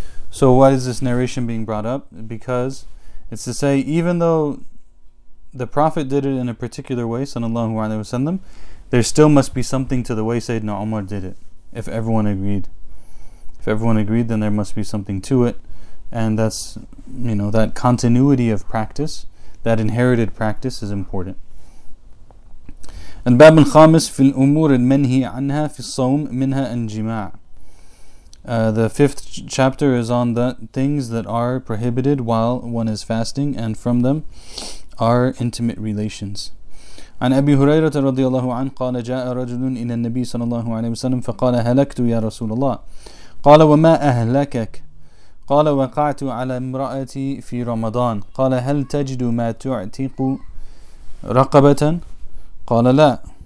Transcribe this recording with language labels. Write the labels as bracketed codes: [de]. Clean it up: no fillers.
[en] So why is this narration being brought up? Because it's to say, even though the Prophet did it in a particular way, sallallahu alayhi wa sallam, there still must be something to the way Sayyidina Umar did it, if everyone agreed. If everyone agreed, then there must be something to it. And that's, you know, that continuity of practice, that inherited practice is important. [ar] الباب الخامس في الأمور المنهي عنها في الصوم منها الجماع. [en] The fifth chapter is on the things that are prohibited while one is fasting, and from them are intimate relations. [ar] عن أبي هريرة رضي الله عنه قال جاء رجل إلى النبي صلى الله عليه وسلم فقال هلكت يا رسول الله. قال وما أهلكك؟ قال وقعت على امرأتي في رمضان. قال هل تجد ما تعتق رقبة؟ قال لا.